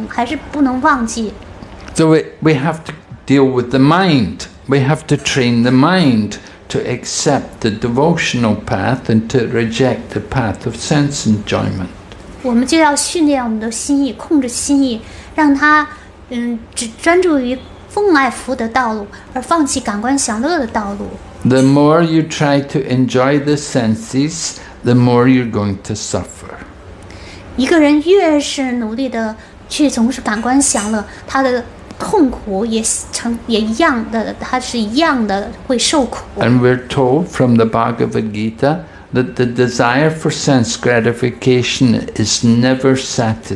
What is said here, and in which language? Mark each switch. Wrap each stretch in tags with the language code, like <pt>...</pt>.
<zh>可能即便在Krishna知识当中有了知识，不下梵歌的知识也有，但是与此同时，我们还在跟这个感官享乐的这种体验、这种欲望在做斗争，还是不能忘记。</zh> <en>So we have to deal with the mind. We have to train the mind to accept the devotional path and to reject the path of sense enjoyment.</en> <zh>我们就要训练我们的心意，控制心意，让它。只专注于奉爱福的道路，而放弃感官享乐的道路。</zh> <en>The more you try to enjoy the senses, the more you're going to suffer.</en> <zh>一个人越是努力的去从事感官享乐，他的痛苦也一样的，他是一样的会受苦。</zh> <en>And we're told from the Bhagavad Gita that the desire for sense gratification is never satisfied.</en>